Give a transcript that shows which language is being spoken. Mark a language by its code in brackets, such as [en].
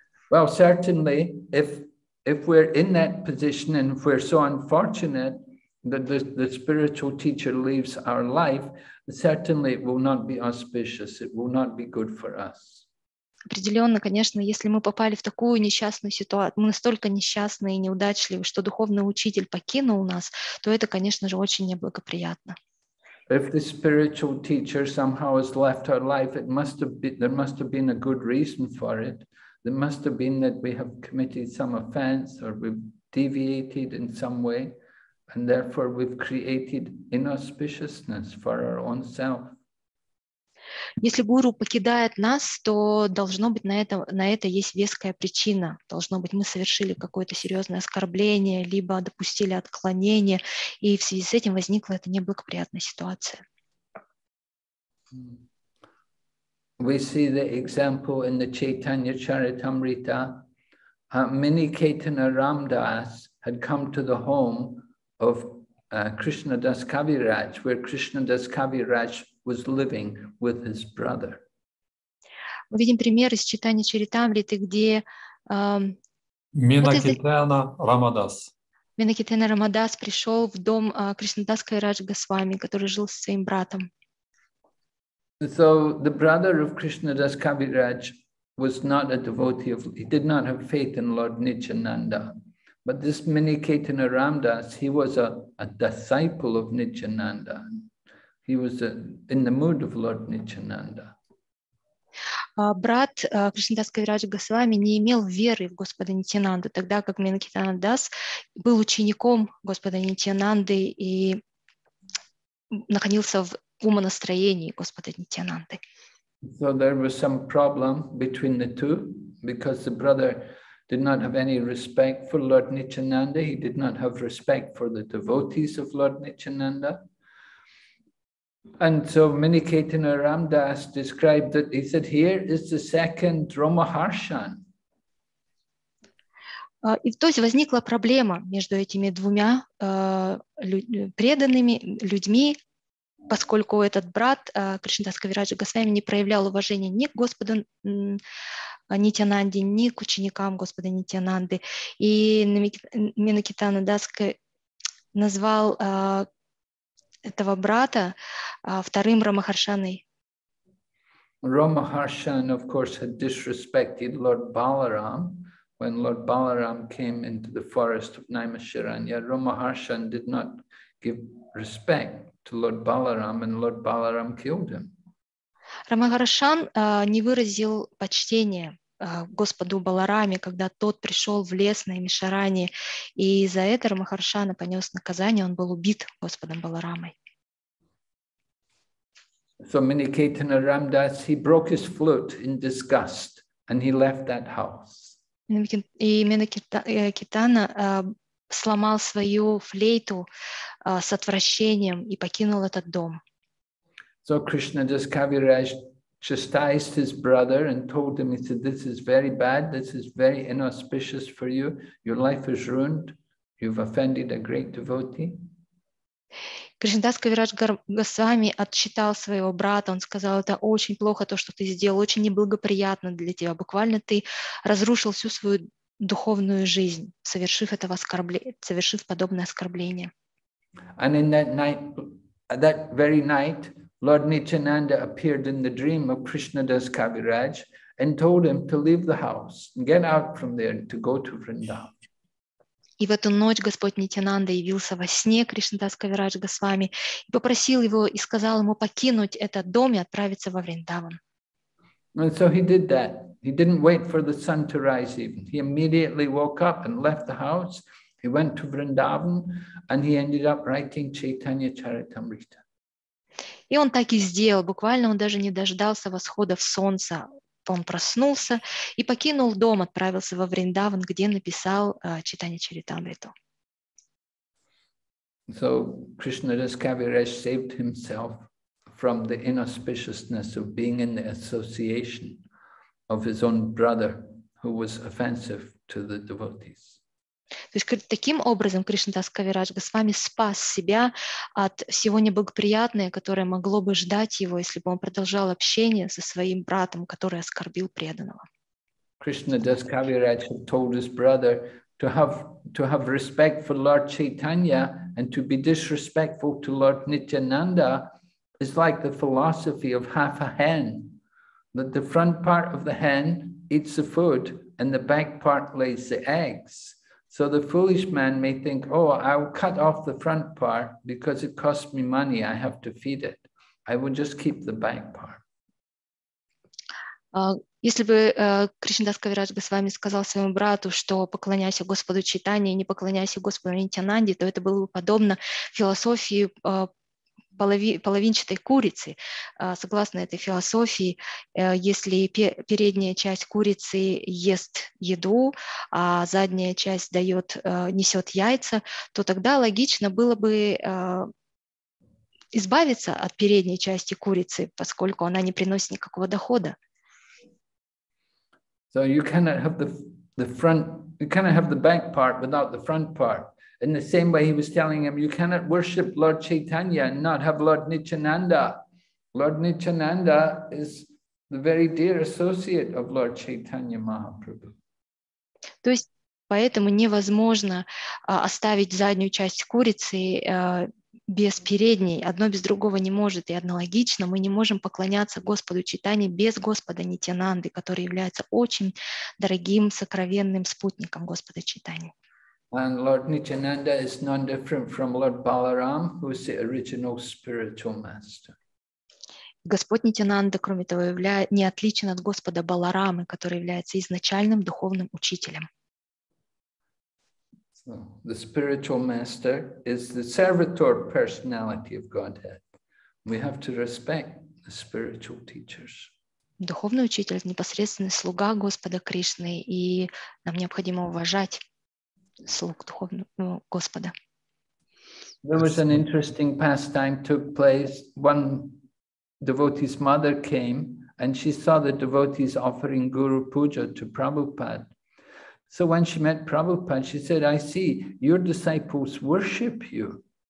[en] Well, certainly, if we're in that position and if we're so unfortunate that the spiritual teacher leaves our life, certainly it will not be auspicious, it will not be good for us. [ru] Определенно, конечно, если мы попали в такую несчастную ситуацию, мы настолько несчастны и неудачливы, что духовный учитель покинул нас, то это, конечно же, очень неблагоприятно. [en] If the spiritual teacher somehow has left our life, there must have been a good reason for it. There must have been that we have committed some offense or we've deviated in some way. And therefore, we've created inauspiciousness for our own self. [ru] Если гуру покидает нас, то должно быть на это есть веская причина. Должно быть, мы совершили какое-то серьезное оскорбление, либо допустили отклонение, и в связи с этим возникла эта неблагоприятная ситуация. [en] We see the example in the Chaitanya Charitamrita. Miniketana Ramdas had come to the home of Krishna Das Kaviraj, where Krishna Das Kaviraj was living with his brother. [ru] Мы видим пример из Читания Чаритамриты, где Минакетена Рамадас. Минакетена Рамадас пришел в дом Кришна Дас Кавираджа Госвами, который жил со своим братом. [en] So the brother of Krishna Das Kaviraj was not a devotee of, he did not have faith in Lord Nityananda. But this Miniketana Ramdas, he was a disciple of Nityananda. He was in the mood of Lord Nityananda. [ru] Брат Кришнадас Кавираджа Госвами не имел веры в Господа Нитянанду, тогда как Миникетана Дас был учеником Господа Нитянанды и находился в умонастроении Господа Нитянанды. [en] So there was some problem between the two, because the brother did not have any respect for Lord Nityananda. He did not have respect for the devotees of Lord Nityananda. And so Miniketana Ramdas described that, he said, here is the second Dromaharshan. [ru] И то есть возникла проблема между этими двумя преданными людьми, поскольку этот брат Кришнадас Кавираджа Госвами не проявлял уважения ни к Господу Нитянанде, ни к ученикам Господа Нитянанды. И Миникетана Дас назвал этого брата вторым Рамахаршаной. [en] Рамахаршан, of course, had disrespected Lord Balaram when Lord Balaram came into the forest of Naimasharanya. Рамахаршан did not give respect to Lord Balaram, and Lord Balaram killed him. [ru] Рамахаршан не выразил почтения Господу Балараме, когда тот пришел в лес на Имишаране, и за это Рамахаршана понес наказание, он был убит Господом Баларамой. [en] So Miniketana Ramdas, he broke his flute in disgust and he left that house. [ru] И Миниketana сломал свою флейту с отвращением и покинул этот дом. [en] So Krishnadas Kaviraj chastised his brother and told him, he said, this is very bad, this is very inauspicious for you, your life is ruined, you've offended a great devotee. [ru] Кришнадас Кавирадж Госвами отчитал своего брата, он сказал, это очень плохо то, что ты сделал, очень неблагоприятно для тебя, буквально ты разрушил всю свою духовную жизнь, совершив это оскорбление, совершив подобное оскорбление. [en] And in that night, that very night, Lord Nityananda appeared in the dream of Krishnadas Kaviraj and told him to leave the house and get out from there to go to Vrindavan. [ru] И в эту ночь Господь Нитянанда явился во сне Кришнадас Кавирадж Госвами и попросил его и сказал ему покинуть этот дом и отправиться во Вриндаван. [en] And so he did that. He didn't wait for the sun to rise even. He immediately woke up and left the house. He went to Vrindavan and he ended up writing Chaitanya Charitamrita. [ru] И он так и сделал. Буквально он даже не дождался восхода солнца. Он проснулся и покинул дом, отправился во Вриндаван, где написал Чайтанья Чаритамриту. [en] So Krishnadas Kaviraj saved himself from the inauspiciousness of being in the association of his own brother, who was offensive to the devotees. [ru] То есть таким образом Кришнадас Кавирадж Госвами спас себя от всего неблагоприятного, которое могло бы ждать его, если бы он продолжал общение со своим братом, который оскорбил преданного. [en] Кришнадас Кавирадж told his brother to have respect for Lord Chaitanya and to be disrespectful to Lord Nityananda is like the philosophy of half a hen, that the front part of the hen eats the food and the back part lays the eggs. So the foolish man may think, oh, I'll cut off the front part because it costs me money, I have to feed it. I will just keep the back part. [ru] Если бы Кришнадас Кавирадж бы с вами сказал своему брату, что поклоняйся Господу Чайтанье и не поклоняйся Господу Нитянанде, то это было бы подобно философии половинчатой курицы. Согласно этой философии, если передняя часть курицы ест еду, а задняя часть дает, несет яйца, то тогда логично было бы избавиться от передней части курицы, поскольку она не приносит никакого дохода. So you cannot have the front, you cannot have the back part without the front part. In the same way, he was telling him, you cannot worship Lord Chaitanya and not have Lord Nityananda. Lord Nityananda is the very dear associate of Lord Chaitanya Mahaprabhu. То есть, поэтому невозможно оставить заднюю часть курицы без передней. Одно без другого не может. И аналогично, мы не можем поклоняться Господу Чайтанье без Господа Нитянанды, который является очень дорогим, сокровенным спутником Господа Чайтанья. [en] And Lord Nityananda is none different from Lord Balaram, who is the original spiritual master. [ru] Господь Нитянанда, кроме того, не отличен от Господа Баларамы, который является изначальным духовным учителем. [en] So, the spiritual master is the servitor personality of Godhead. We have to respect the spiritual teachers. [ru] Духовный учитель – непосредственный слуга Господа Кришны, и нам необходимо уважать слуг духовного Господа. [en] There was an interesting pastime took place. One devotee's mother came and she saw the devotees offering Guru Puja to Prabhupada. So when she met Prabhupada, she said, I see your disciples worship you.